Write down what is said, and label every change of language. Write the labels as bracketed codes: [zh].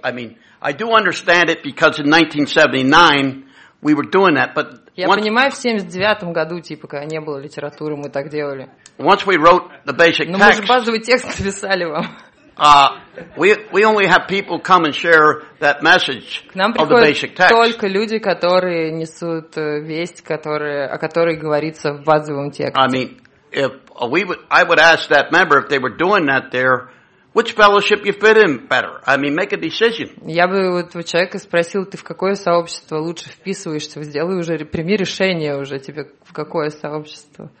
[en] I mean, I do understand it because in 1979 we were doing that, but [ru] я понимаю, в 79-м году, типа, когда не было литературы, мы так делали. [en] Once we wrote the basic text. [ru] Но мы же базовый текст написали вам. [en] We only have people come and share that message of the basic text. [ru] Только люди, которые несут весть, о которой говорится в базовом тексте. [en] I mean, if we would, I would ask that member if they were doing that there, which fellowship you fit in better? I mean, make a decision. [ru] Я бы у этого человека спросил, ты в какое сообщество лучше вписываешься? Сделай уже, прими решение уже тебе, в какое сообщество.